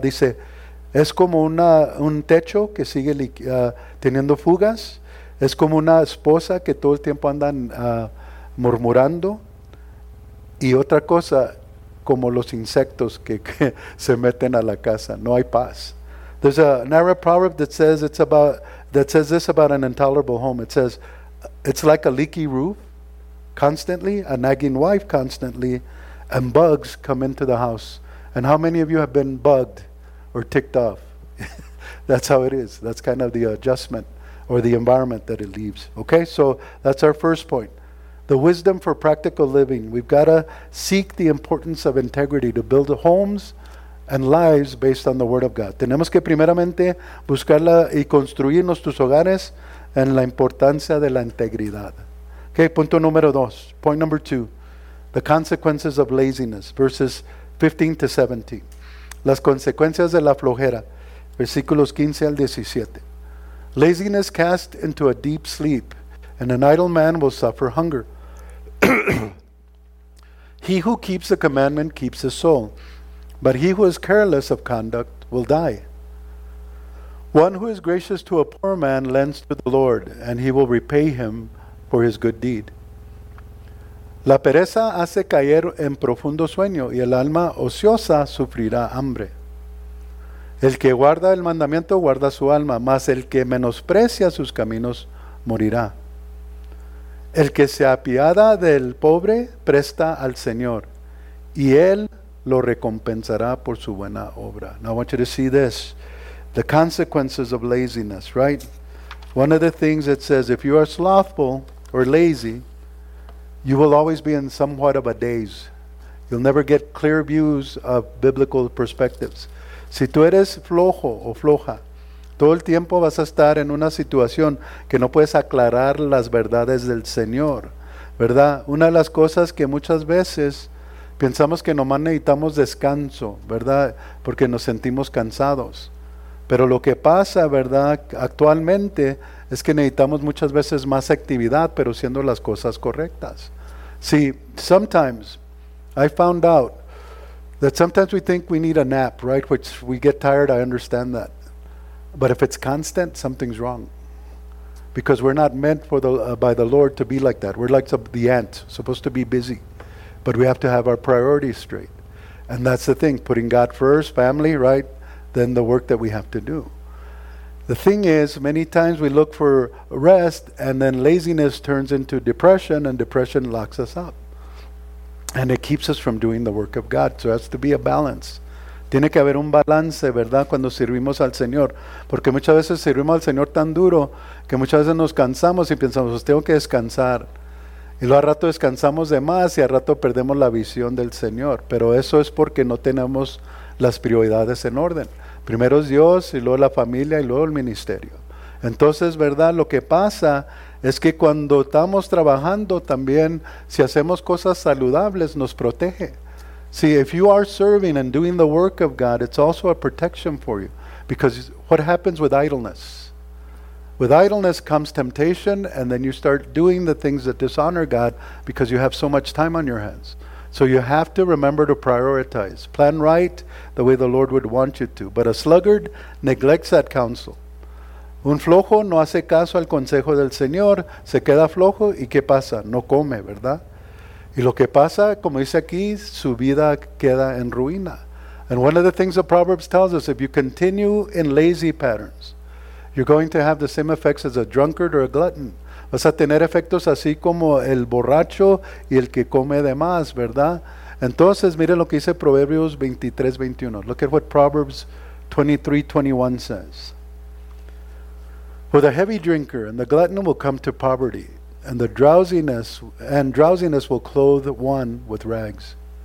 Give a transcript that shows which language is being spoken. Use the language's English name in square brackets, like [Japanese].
[Spanish] Dice, es como un techo que sigue teniendo fugas. Es como una esposa que todo el tiempo anda murmurando. Y otra cosa, como los insectos que se meten a la casa. No hay paz. [English] There's an Arab proverb that says this about an intolerable home. It says, it's like a leaky roof constantly, a nagging wife constantly, and bugs come into the house. And how many of you have been bugged or ticked off? That's how it is. That's kind of the adjustment or the environment that it leaves. Okay, so that's our first point. The wisdom for practical living. We've got to seek the importance of integrity to build homes and lives based on the Word of God. [Spanish] Tenemos que primeramente buscarla y construir nuestros hogares en la importancia de la integridad. Okay, punto número dos. [English] Point number two. The consequences of laziness. Verses 15 to 17. [Spanish] Las consecuencias de la flojera, versículos 15 al 17. [English] Laziness cast into a deep sleep, and an idle man will suffer hunger. He who keeps the commandment keeps his soul, but he who is careless of conduct will die. One who is gracious to a poor man lends to the Lord, and he will repay him for his good deed. [Spanish] La pereza hace caer en profundo sueño, y el alma ociosa sufrirá hambre. El que guarda el mandamiento guarda su alma, mas el que menosprecia sus caminos morirá. El que se apiada del pobre presta al Señor, y él lo recompensará por su buena obra. [English] Now I want you to see this, the consequences of laziness, right? One of the things it says, if you are slothful or lazy, you will always be in somewhat of a daze. You'll never get clear views of biblical perspectives. [Spanish] Si tú eres flojo o floja, todo el tiempo vas a estar en una situación que no puedes aclarar las verdades del Señor, ¿verdad? Una de las cosas que muchas veces pensamos que nomás necesitamos descanso, ¿verdad? Porque nos sentimos cansados. Pero lo que pasa, ¿verdad?, actualmente, es que necesitamos muchas veces más actividad, pero siendo las cosas correctas. [English] See, sometimes I found out that sometimes we think we need a nap, right? Which we get tired, I understand that. But if it's constant, something's wrong. Because we're not meant by the Lord to be like that. We're like the ant, supposed to be busy. But we have to have our priorities straight. And that's the thing, putting God first, family, right? Then the work that we have to do. The thing is, many times we look for rest, and then laziness turns into depression, and depression locks us up. And it keeps us from doing the work of God. So it has to be a balance. [Spanish] Tiene que haber un balance, ¿verdad? Cuando servimos al Señor. Porque muchas veces servimos al Señor tan duro que muchas veces nos cansamos y pensamos, pues tengo que descansar. Y luego a rato descansamos de más y a rato perdemos la visión del Señor. Pero eso es porque no tenemos las prioridades en orden. Primero es Dios y luego la familia y luego el ministerio. Entonces, ¿verdad? Lo que pasa es que cuando estamos trabajando también, si hacemos cosas saludables, nos protege. [English] See, if you are serving and doing the work of God, it's also a protection for you. Because what happens with idleness? With idleness comes temptation, and then you start doing the things that dishonor God because you have so much time on your hands. So you have to remember to prioritize. Plan right the way the Lord would want you to. But a sluggard neglects that counsel. [Spanish] Un flojo no hace caso al consejo del Señor, se queda flojo, ¿y qué pasa? No come, ¿verdad? Y lo que pasa, como dice aquí, su vida queda en ruina. [English] And one of the things the Proverbs tells us, if you continue in lazy patterns, you're going to have the same effects as a drunkard or a glutton. [Spanish] Vas a tener efectos así como el borracho y el que come de más, ¿verdad? Entonces, miren lo que dice Proverbios 23:21. [English] Look at what Proverbs 23:21 says. For the heavy drinker and the glutton will come to poverty, and the drowsiness will clothe one with rags.